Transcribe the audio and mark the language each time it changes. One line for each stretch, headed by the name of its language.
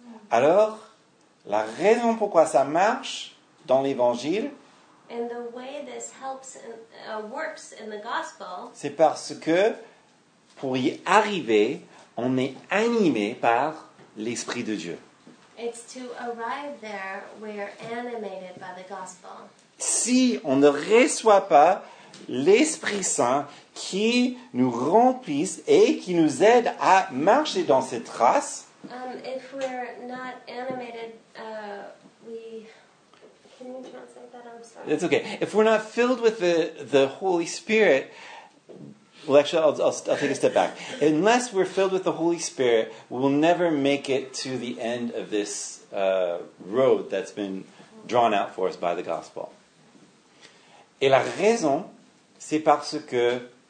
French: Alors, la raison pourquoi ça marche dans l'Évangile,
English: and the way this helps in, works in the gospel,
French: c'est parce que pour y arriver, on est animé par l'Esprit de Dieu.
English: It's to arrive there, we're animated by the gospel.
French: Si on ne reçoit pas l'Esprit Saint qui nous remplisse et qui nous aide à marcher dans cette trace,
English: if we're not animated, can you translate that? I'm sorry. It's okay. If we're not filled with the Holy Spirit, well, actually, I'll take a step back. Unless we're filled with the Holy Spirit, we'll never make it to the end of this road that's been drawn out for us by the gospel.
French: Et la raison, c'est parce que